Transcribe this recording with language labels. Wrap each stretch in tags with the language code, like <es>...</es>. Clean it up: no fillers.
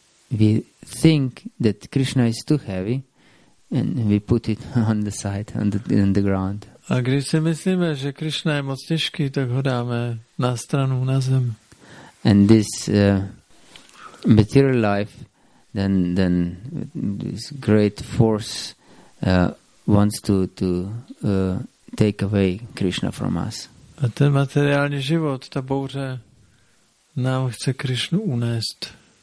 <en>We think that Krishna is too heavy and we put it on the side, on the ground.</en> <cs>A když si myslíme, že Krishna je moc těžký, tak ho dáme na stranu, na zem.</cs> <en>And this material life, then this great force wants to take away Krishna from us.</en> <cs>A ten materiální život, ta bouře, nám chce Krishnu unést.</cs>